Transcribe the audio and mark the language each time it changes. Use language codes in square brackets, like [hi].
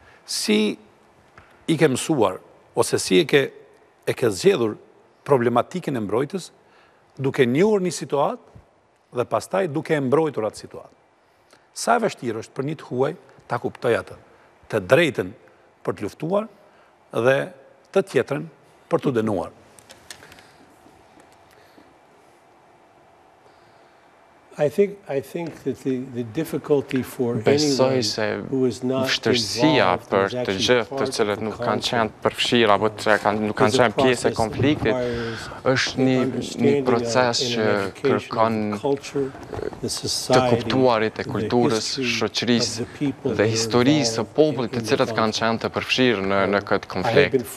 [sq] Si I ke mësuar ose si e ke zgjedhur problematikën e mbrojtës duke njohur një situatë dhe pastaj duke e mbrojtur atë situatë. Sa e vështirë është për një të huaj ta kuptoj atë, të drejtën për të luftuar dhe të tjetrën për të dënuar. [en] I think that the difficulty for anyone who is not [sq] vështirësia për të gjithë të cilët nuk kanë qenë përfshirë apo të kanë nuk kanë qenë pjesë e konfliktit është një proces që kërkon të kuptuarit e kulturës, shoqërisë dhe historisë së popullit të cilët kanë qenë të përfshirë në këtë konflikt.